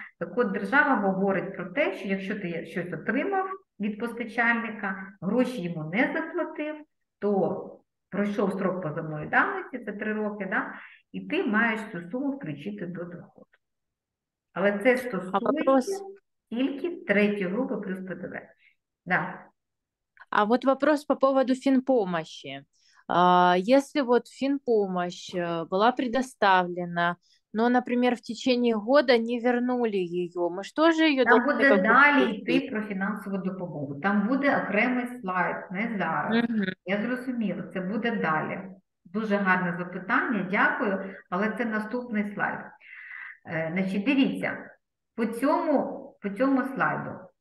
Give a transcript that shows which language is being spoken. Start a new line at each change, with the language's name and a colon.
Ukrainian: Так от держава говорить про те, що якщо ти щось отримав від постачальника, гроші йому не заплатив, то пройшов строк позовної давності, це 3 роки, і ти маєш цю суму включити до доходу. Але це стосується тільки третьої групи плюс ПДВ.
Russian: А вот вопрос по поводу финпомощи. Если вот финпомощь была предоставлена, но, например, в течение года не вернули ее, мы что же ее там должны
Ukrainian: буде
Russian: как бы...
Ukrainian: далі йти про фінансову допомогу. Там буде окремий слайд, не зараз. Я зрозуміла, це буде далі. Дуже гарне запитання, дякую, але це наступний слайд. Значить, дивіться, по цьому слайду.